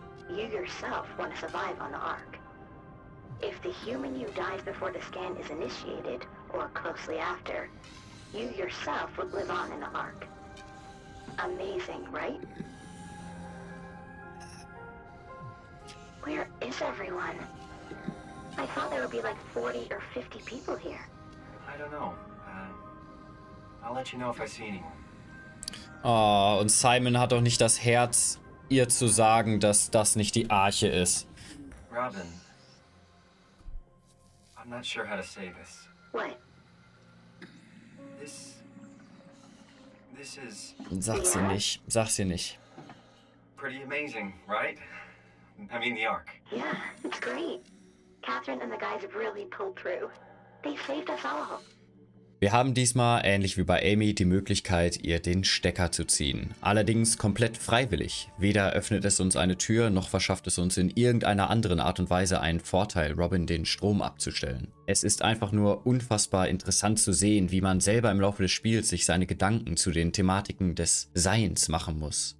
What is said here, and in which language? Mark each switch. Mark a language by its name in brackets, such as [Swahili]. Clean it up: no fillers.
[English] You yourself want to survive on the Ark. If the human you dies before the scan is initiated, or closely after, you yourself would live on in the Ark. Amazing, right? Where is everyone? I thought there would be like 40 or 50 people here. I don't know. I'll let you know if I see anyone. [German] Oh, und Simon hat doch nicht das Herz, ihr zu sagen, dass das nicht die Arche ist. [English] Robin, I'm not sure how to say this. What? This is... [German] Sag sie nicht. [English] Pretty amazing, right? I mean the Ark. Yeah, it's great. Catherine and the guys have really pulled through. They saved us all. [German] Wir haben diesmal, ähnlich wie bei Amy, die Möglichkeit, ihr den Stecker zu ziehen. Allerdings komplett freiwillig. Weder öffnet es uns eine Tür, noch verschafft es uns in irgendeiner anderen Art und Weise einen Vorteil, Robin den Strom abzustellen. Es ist einfach nur unfassbar interessant zu sehen, wie man selber im Laufe des Spiels sich seine Gedanken zu den Thematiken des Seins machen muss.